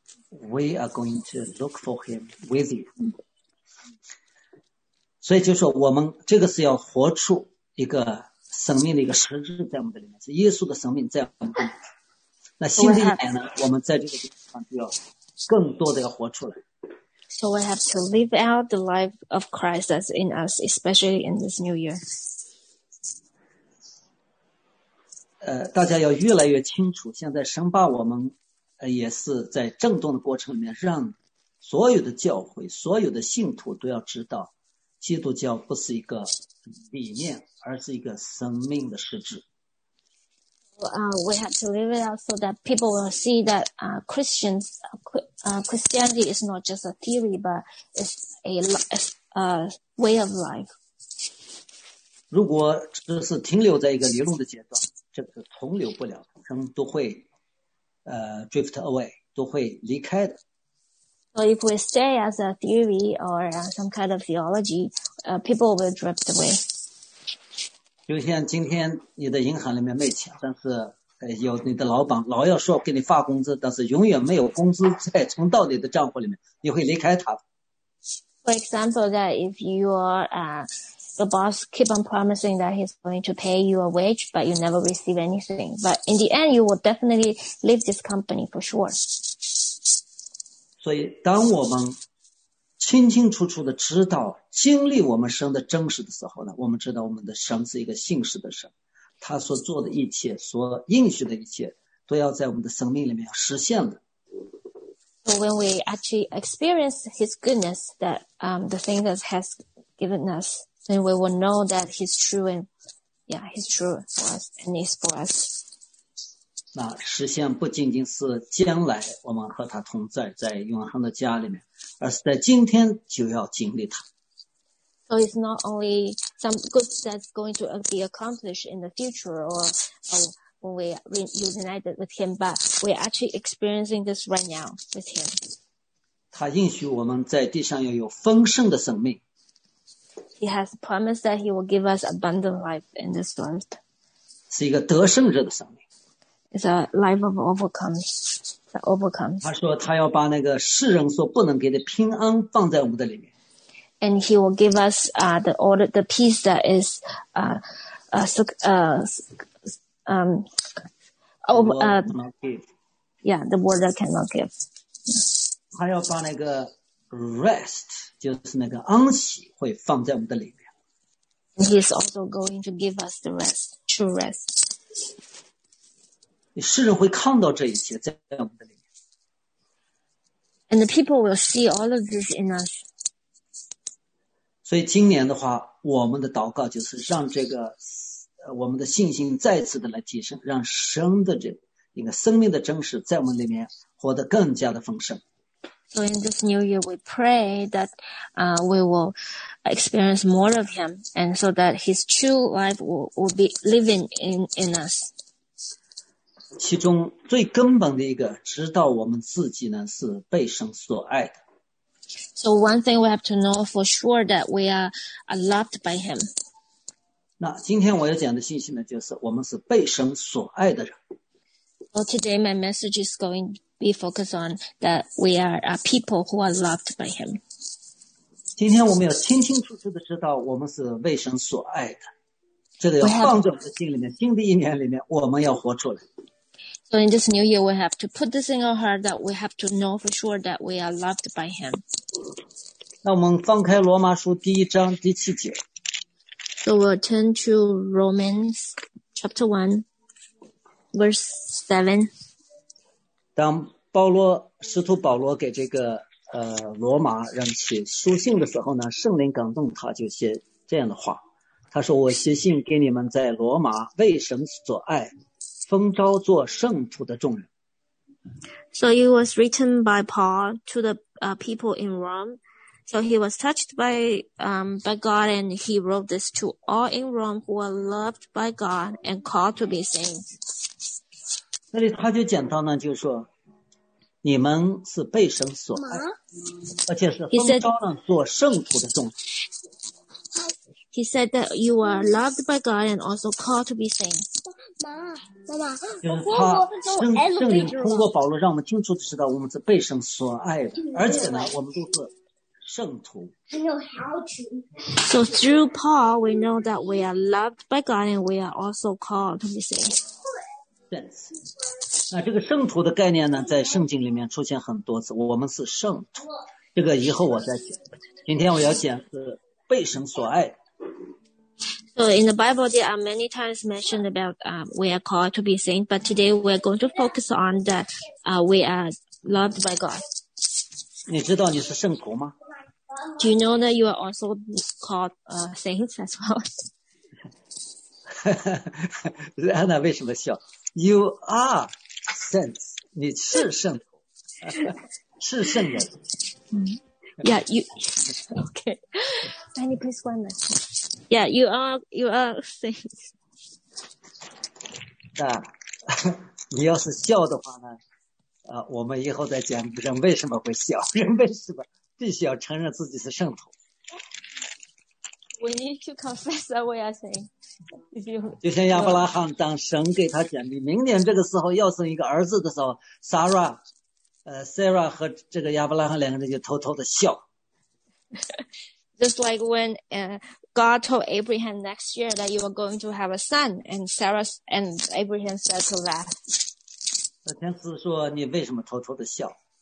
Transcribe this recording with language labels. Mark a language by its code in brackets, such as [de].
[en] We are going to look for him with you. [zh] 所以就是我们这个是要活出一个生命的一个实质在我们的里面，是耶稣的生命在我们的里面。那新的一年呢，我们在这个地方就要更多的要活出来。 [en] So we have to live out the life of Christ that's in us, especially in this new year. [zh] 大家要越来越清楚，现在神把我们也是在震动的过程里面，让所有的教会、所有的信徒都要知道，基督教不是一个理念，而是一个生命的实质。 [en] We have to live it out so that people will see that Christianity is not just a theory, but it's a way of life. [zh] 如果只是停留在一个理论的阶段，这个停留不了，人都会 [en] drift away, [zh] 都会离开的。 [en] So if we stay as a theory or some kind of theology, people will drift away. [zh] 就像今天你的银行里面没钱，但是有你的老板老要说给你发工资，但是永远没有工资再存到你的账户里面，你会离开他。 [en] For example, that if your the boss keep on promising that he's going to pay you a wage, but you never receive anything, but in the end, you will definitely leave this company for sure. [zh] 所以，当我们清清楚楚的知道经历我们神的真实的时候呢，我们知道我们的神是一个信实的神，他所做的一切，所应许的一切，都要在我们的生命里面实现的。 [en] So when we actually experience His goodness, that the thing that has given us, then we will know that He's true and yeah, He's true for us and is for us. [zh] 那实现不仅仅是将来我们和他同在，在永恒的家里面，而是在今天就要经历他。 [en] So it's not only some good that's going to be accomplished in the future or when we reunited with him, but we're actually experiencing this right now with him. [zh] 他应许我们在地上要有丰盛的生命。 [en] He has promised that he will give us abundant life in this world. [zh] 是一个得胜者的生命。 [en] It's a life of overcomes, that overcomes. [zh] 他说他要把那个世人所不能给的平安放在我们的里面。 [en] And he will give us the peace that is the world that cannot give. [zh] 他要把那个 rest 就是那个安息会放在我们的里面。 [en] And he is also going to give us the rest, true rest. [zh] 世人会看到这一切在我们的里面。 [en] And the people will see all of this in us. [zh] 所以今年的话，我们的祷告就是让这个我们的信心再次的来提升，让神的这一个生命的真实在我们里面活得更加的丰盛。 [en] So in this new year, we pray that we will experience more of Him, and so that His true life will be living in us. [zh] 其中最根本的一个，知道我们自己呢是被神所爱的。 [en] So one thing we have to know for sure that we are loved by Him. [zh] 那今天我要讲的信息呢，就是我们是被神所爱的人。 [en] So today my message is going to be focused on that we are a people who are loved by Him. [zh] 今天我们要清清楚楚的知道我们是被神所爱的，这个要放在我们的心里面。新的一年里面，我们要活出来。 [en] So in this new year, we have to put this in our heart that we have to know for sure that we are loved by Him. [zh] 那我们翻开罗马书第一章第七节。 [en] So we'll turn to Romans chapter 1, verse 7. [zh] 当使徒保罗给这个罗马人写书信的时候呢，圣灵感动他就写这样的话。他说，我写信给你们在罗马为神所爱。 [en] So it was written by Paul to the people in Rome. So he was touched by God, and he wrote this to all in Rome who are loved by God and called to be saints. [zh] 那里他就讲到呢，就是说，你们是被神所爱，而且是封召呢做圣徒的众人。 [en] He said that you are loved by God and also called to be saints. [zh] 妈妈，圣灵通过保罗让我们清楚的知道我们是被神所爱的，而且呢，我们都是圣徒。 [en] So through Paul, we know that we are loved by God and we are also called to be saved. Yes. [zh] 那这个圣徒的概念呢，在圣经里面出现很多次。我们是圣徒，这个以后我再讲。今天我要讲是被神所爱。 [en] So in the Bible, there are many times mentioned about we are called to be saints, but today we are going to focus on that we are loved by God. [zh] 你知道你是圣徒吗？ [en] Do you know that you are also called saints as well? [zh] 哈哈，安娜为什么笑？ [en] You are saints. [zh] 你是圣徒，是圣人。 [en] Yeah, you. Okay, Danny, please go on next. Yeah, you are saints. [zh] 那你要是笑的话呢？我们以后再讲人为什么会笑，人为什么必须要承认自己是圣徒。 [en] We need to confess that we are saints. You, [zh] 就像亚伯拉罕当神给他讲你明年这个时候要生一个儿子的时候 Sarah, Sarah 和这个亚伯拉罕两个人就偷偷的笑 [en] Just like when God told Abraham next year that you were going to have a son and Sarah and Abraham said to laugh [zh] 那天使说你为什么偷偷的笑